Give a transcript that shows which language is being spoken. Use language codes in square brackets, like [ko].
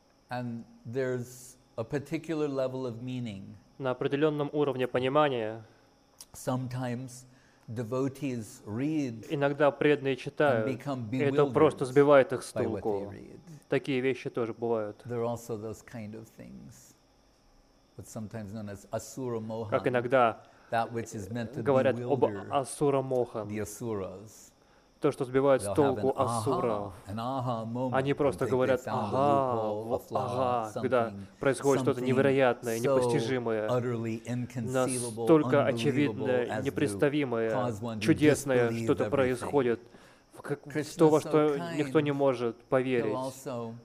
[en] And there's a particular level of meaning. [ru] На определенном уровне понимания. [en] Sometimes devotees read. [ru] Иногда преданные читают. И это просто сбивает их с толку. Такие вещи тоже бывают. [en] There are also those kind of things, but sometimes known as asura moha. [ru] Как иногда [en] that which is meant to [ru] говорят [en] bewilder, [ru] об асура моха. [en] The asuras. [ru] То, что сбивает с толку асуров. Они просто говорят «ага», «ага», когда происходит что-то невероятное, непостижимое, настолько очевидное, непредставимое, чудесное что-то происходит, то, во что никто не может поверить.